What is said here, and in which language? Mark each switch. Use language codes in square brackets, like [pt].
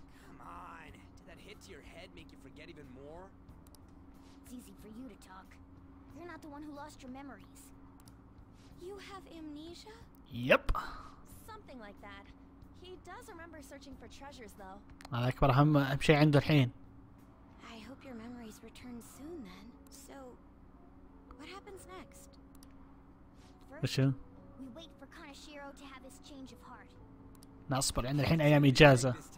[en] Come on, did that hit to your head make you forget even more? It's easy for you to talk. You're not the one who lost your memories. You have amnesia? Yep. Something like that. He does remember searching for treasures, though. [ar] هذا أكبر أهم شيء عنده الحين. [en] I hope your memories return soon, then. So, what happens next? We wait for Kaneshiro to have his change of heart. [ar] نصبر عندنا الحين أيام إجازة.